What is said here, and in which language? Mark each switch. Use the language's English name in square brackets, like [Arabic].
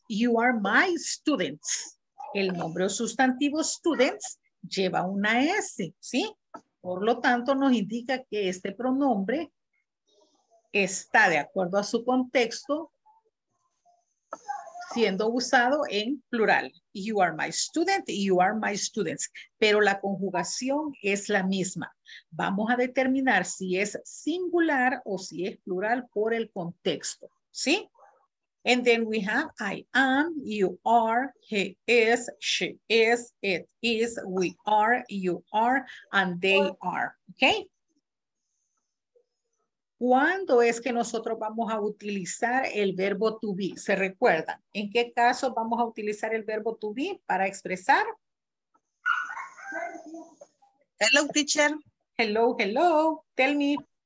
[English] You are my students. [Spanish] El nombre o sustantivo students lleva una S, ¿sí? Por lo tanto, nos indica que este pronombre está, de acuerdo a su contexto, siendo usado en plural. [English] You are my student, you are my students. [Spanish] Pero la conjugación es la misma. Vamos a determinar si es singular o si es plural por el contexto, ¿sí? [English] And then we have I am, you are, he is, she is, it is, we are, you are, and they are. Okay. [Spanish] ¿Cuándo es que nosotros vamos a utilizar el verbo to be? ¿Se recuerdan? ¿En qué caso vamos a utilizar el verbo to be para expresar? [English] Hello, teacher. Hello, hello. Tell me.